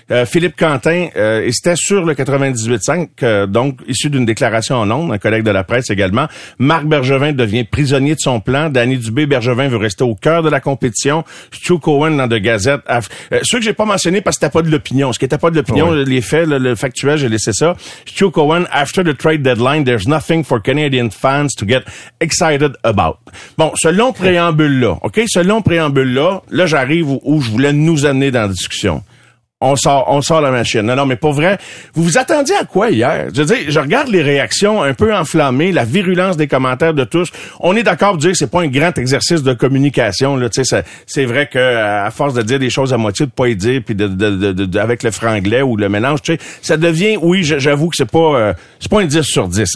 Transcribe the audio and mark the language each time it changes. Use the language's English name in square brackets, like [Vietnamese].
[French] Philippe Quentin, c'était sur le 98.5, donc issu d'une déclaration en ondes, un collègue de la presse également. Marc Bergevin devient prisonnier de son plan. Danny Dubé, Bergevin veut rester au cœur de la compétition. Stu Cowan dans The Gazette. Ceux que j'ai pas mentionné parce que t'as pas de l'opinion. Ce qui était pas de l'opinion, les faits, le factuel, j'ai laissé ça. [English] Stu Cowan, after the trade deadline, there's nothing for Canadian fans to get excited about. [French] Bon, ce long préambule-là, OK? Ce long préambule-là, là, j'arrive où je voulais nous amener dans la discussion. On sort la machine. Non, mais pas vrai. Vous vous attendiez à quoi hier? Je veux dire, je regarde les réactions un peu enflammées, la virulence des commentaires de tous. On est d'accord pour dire que c'est pas un grand exercice de communication, là. Tu sais, c'est vrai que, à force de dire des choses à moitié, de pas y dire, puis de avec le franglais ou le mélange, tu sais, ça devient, oui, j'avoue que c'est pas un 10 sur 10.